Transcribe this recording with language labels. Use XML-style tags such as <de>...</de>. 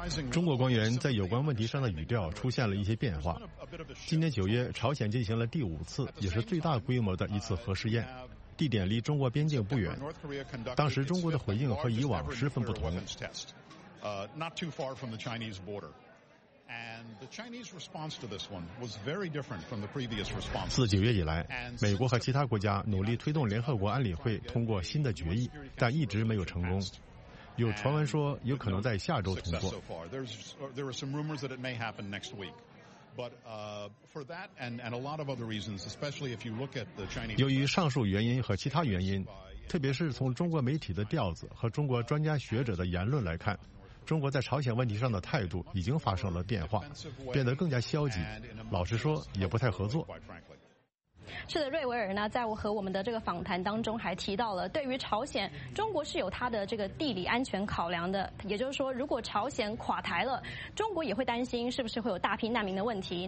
<zh>中国官员在有关问题上的语调出现了一些变化。今年9月，朝鲜进行了第五次，也是最大规模的一次核试验，地点离中国边境不远。当时中国的回应和以往十分不同。</zh> <en>not too far from the Chinese border. And the Chinese response to this one was very different from the previous response.</en> <zh>自9月以来，美国和其他国家努力推动联合国安理会通过新的决议，但一直没有成功。有传闻说有可能在下周通过。</zh> <en>There are some rumors that it may happen next week. But for that and a lot of other reasons, especially if you look at the Chinese.</en> <zh>由于上述原因和其他原因，特别是从中国媒体的调子和中国专家学者的言论来看，中国在朝鲜问题上的态度已经发生了变化，变得更加消极，老实说也不太合作。是的，瑞维尔呢在我和我们的这个访谈当中还提到了，对于朝鲜，中国是有它的这个地理安全考量的，也就是说如果朝鲜垮台了，中国也会担心是不是会有大批难民的问题。</zh>